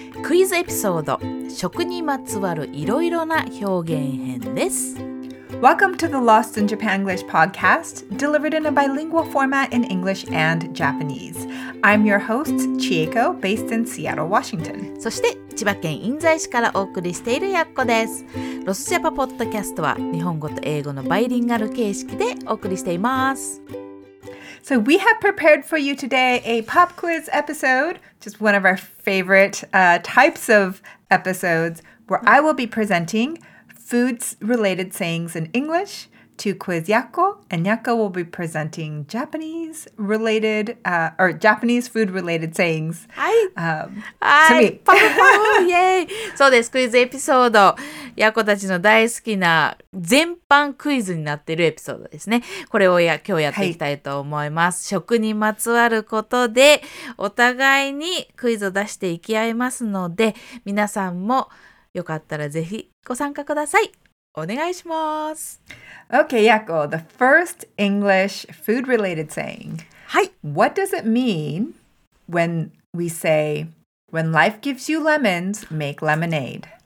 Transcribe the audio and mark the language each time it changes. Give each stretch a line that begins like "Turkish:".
Japanese: クイズエピソード、食にまつわるいろいろな表現編です。
English: Welcome to the Lost in Japan English podcast, delivered in a bilingual format in English and Japanese. I'm your host, Chieko, based in Seattle, Washington.
Japanese: そして、千葉県印西市からお送りしているやっこです。ロスジャパポッドキャストは、日本語と英語のバイリンガル形式でお送りしています。
English: So we have prepared for you today a pop quiz episode, just one of our favorite types of episodes, where I will be presenting foods-related sayings in English to quiz Yakko, and Yakko will be presenting Japanese-related, or Japanese food-related sayings to me. Yay!
Japanese: そうです。クイズエピソード。ヤコたちの大好きな全般クイズになっているエピソードですね。これを今日やっていきたいと思います。はい、食にまつわることで、お互いにクイズを出していき合いますので、皆さんもよかったらぜひご参加ください。お願いします。
English: Okay, Yakko, the first English food-related saying.
Japanese: はい。
English: What does it mean when we say, when life gives you lemons, make lemonade?